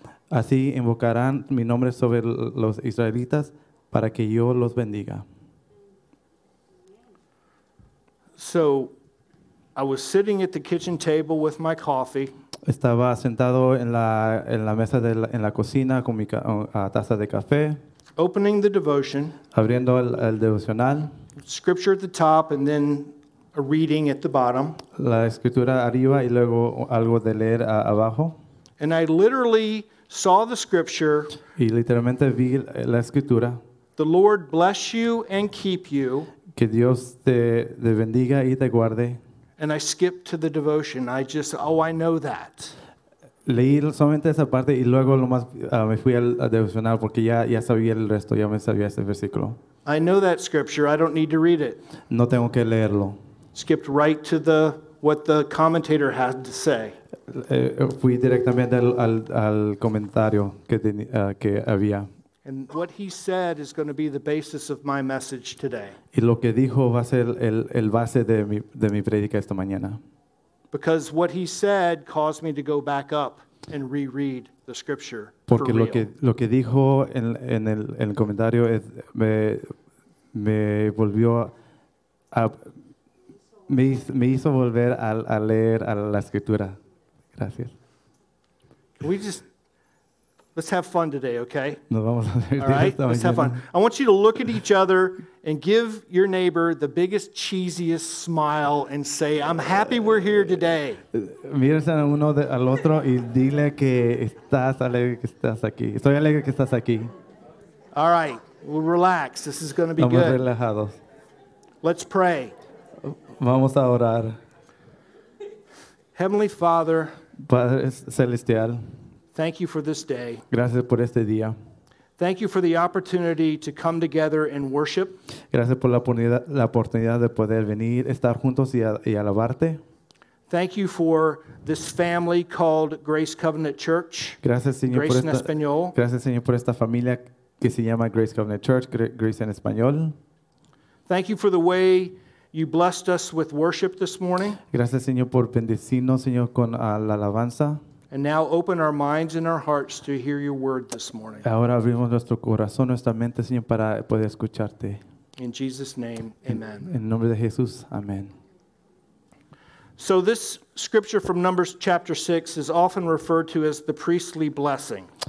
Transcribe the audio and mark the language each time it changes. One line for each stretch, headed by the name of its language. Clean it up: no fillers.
Spanish: Así invocarán mi nombre sobre los israelitas para que yo los bendiga.
English: So, I was sitting at the kitchen table with my coffee.
Spanish: Estaba sentado en la mesa de la cocina con mi taza de café.
English: Opening the devotion.
Spanish: Abriendo el devocional.
English: Scripture at the top and then a reading at the bottom.
Spanish: La escritura arriba y luego algo de leer abajo.
English: And I literally saw the scripture.
Spanish: Y literalmente vi la escritura.
English: The Lord bless you and keep you.
Spanish: Que Dios te bendiga y te guarde.
English: And I skipped to the devotion. I just, I know that.
Spanish: Leí solamente esa parte y luego lo más me fui al devocional porque ya sabía el resto, ya me sabía ese versículo.
English: I know that scripture. I don't need to read it.
Spanish: No tengo que leerlo.
English: Skipped right to what the commentator had to say.
Spanish: Fui directamente al comentario que había.
English: And what he said is going to be the basis of my message today.
Spanish: Y lo que dijo va a ser el base de mi prédica esta mañana.
English: Because what he said caused me to go back up and reread the scripture.
Spanish: Porque for lo real. Que dijo en el comentario es, me volvió a me hizo volver a leer a la escritura. Gracias.
English: Let's have fun today, okay?
Spanish: Nos vamos a divertir.
English: All right, let's have fun. I want you to look at each other and give your neighbor the biggest, cheesiest smile and say, "I'm happy we're here today."
Spanish: Mírense uno al otro y dile que estás alegre que estás aquí. Estoy alegre que estás aquí.
English: All right, we'll relax. This is going to be good.
Spanish: Vamos relajados.
English: Let's pray.
Spanish: Vamos a orar.
English: Heavenly Father.
Spanish: Padre celestial.
English: Thank you for this day.
Spanish: Gracias por este día.
English: Thank you for the opportunity to come together and worship.
Spanish: Gracias por la oportunidad de poder venir, estar juntos y alabarte.
English: Thank you for this family called Grace Covenant Church.
Spanish: Gracias, Señor, Grace en Español. Gracias, Señor, por esta familia que se llama Grace Covenant Church, Grace en Español.
English: Thank you for the way you blessed us with worship this morning.
Spanish: Gracias, Señor, por bendecirnos, Señor, con la alabanza.
English: And now open our minds and our hearts to hear your word this morning.
Spanish: Ahora abrimos nuestro corazón, nuestra mente, Señor, para poder escucharte.
English: In Jesus' name, amen.
Spanish: En nombre de Jesús, amén.
English: So this scripture from Numbers chapter 6 is often referred to as the priestly blessing.